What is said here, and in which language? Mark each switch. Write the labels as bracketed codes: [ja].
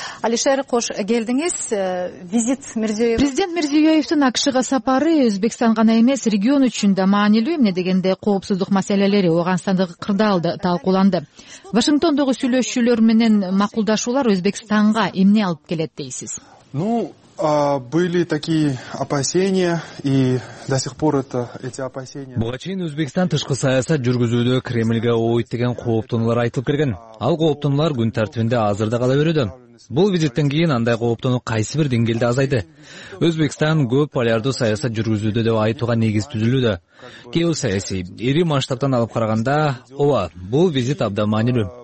[ky] Алишер, кош келдиңиз. Визит Мирзиёев. Президент Мирзиёевдин АКШга сапары Өзбекстан гана эмес, регион үчүн да маанилүү. Эмне дегенде, коопсуздук маселелери, Ооганстандагы кырдаалды талкууланды. Вашингтондогу сүйлөшүүлөр менен макулдашуулар Өзбекстанга эмне алып келет дейсиз? [ru] Ну, были такие опасения, и до сих пор это эти опасения. [ky] Буга чейин Өзбекстан тышкы саясат жүргүзүүдө Кремльге ооит деген кооптонулар айтылып келген. Ал кооптонулар күн тартибинде азыр да кала берүүдө. Бул визиттен кийин андай кооптонуу кайсы бир деңгээлде азайды. Өзбекстан көп полярдуу саясат жүргүзүүдө деп айтууга негиз түзүлүүдө. Геосаясий, ири масштабтан алып караганда, ооба, бул визит абдан маанилүү.